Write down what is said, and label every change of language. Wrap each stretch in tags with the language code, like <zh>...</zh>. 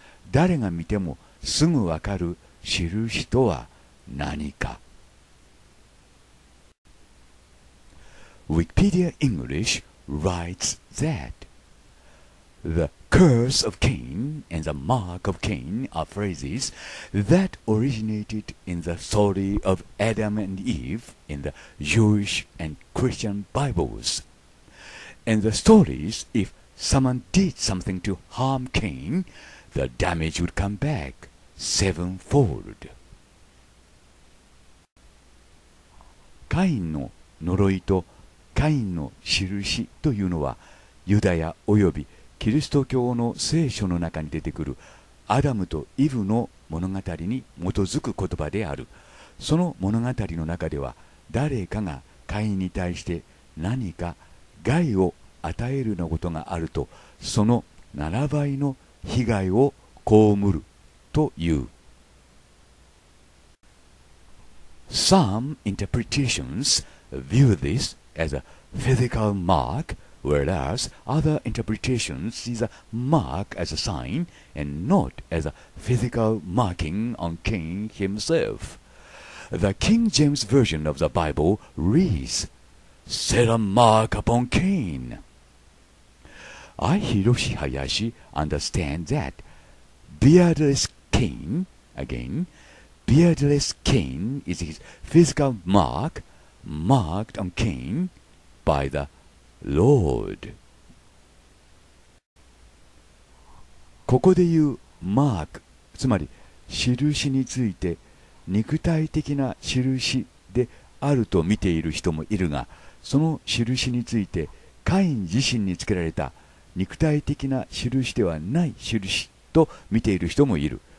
<ja>誰が見てもすぐわかる印とは何か。</ja> <en>Wikipedia English writes that the curse of Cain and the mark of Cain are phrases that originated in the story of Adam and Eve in the Jewish and Christian Bibles. In the stories, if someone did something to harm Cain, the damage would come back sevenfold.</en> <ja>カインの呪いとカインの印というのは、ユダヤおよびキリスト教の聖書の中に出てくるアダムとイブの物語に基づく言葉である。その物語の中では、誰かがカインに対して何か害を与えるようなことがあると、その7倍の被害を被るという。</ja> <en>Some interpretations view this as a physical mark whereas other interpretations see the mark as a sign and not as a physical marking on King himself. The King James Version of the Bible reads, Set a mark upon Cain. I, Hiroshi Hayashi, understand that beardless Cain, again, beardless Cain is his physical mark marked on Cain by the Lord.</en> <ja>ここで言うマーク、つまり印について肉体的な印であると見ている人もいるが、その印についてカイン自身につけられた肉体的な印ではない印と見ている人もいる。</ja>